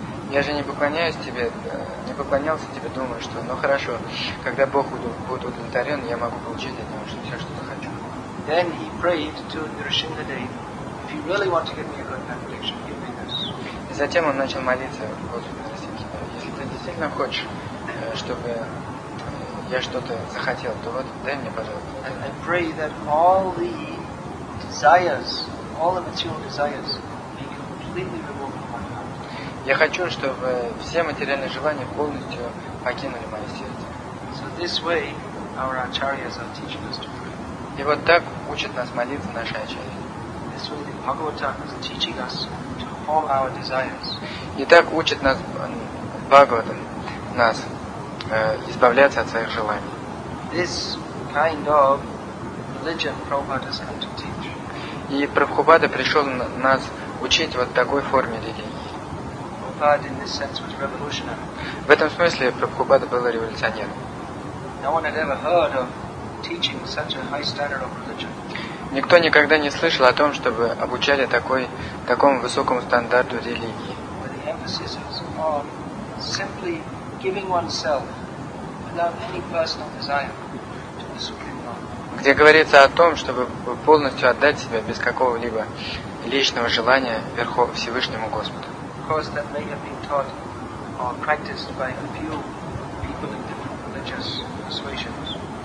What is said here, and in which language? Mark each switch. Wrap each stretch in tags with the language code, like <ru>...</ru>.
<ru>Я же не поклоняюсь тебе, не поклонялся тебе, думаю, что, ну хорошо, когда Бог будет удовлетворен, я могу получить от него все, что захочу.</ru> <en>Then he prayed to Nrisimhadeva, if you really want to give me a good benediction, give me this.</en> <ru>И затем он начал молиться Господу. Сильно хочешь, чтобы я что-то захотел, то вот дай мне, пожалуйста.</ru> <en>I pray that all the desires, all the material desires be completely removed from my heart.</en> <ru>Я хочу, чтобы все материальные желания полностью покинули мое сердце.</ru> <en>So this way our acharyas are teaching us to pray.</en> <ru>И вот так учат нас молиться наши ачарьи.</ru> <en>This way the Bhagavatam is teaching us to hold our desires.</en> <ru>И так учат нас Бхагаватам нас избавляться от своих желаний.</ru> <en>This kind of religion Prabhupada has come to teach.</en> <ru>И Прабхупада пришел нас учить вот такой форме религии.</ru> <en>Prabhupada in this sense was revolutionary.</en> <ru>В этом смысле Прабхупада был революционером.</ru> <en>No one had ever heard of teaching such a high standard of religion.</en> <ru>Никто никогда не слышал о том, чтобы обучали такому высокому стандарту религии.</ru> <en>Where the emphasis is on simply giving oneself without any personal desire to the Supreme Lord.</en> <ru>Где говорится о том, чтобы полностью отдать себя без какого-либо личного желания Всевышнему Господу.</ru> <en>Of course, that may have been taught or practiced by a few people in different religious persuasions.</en>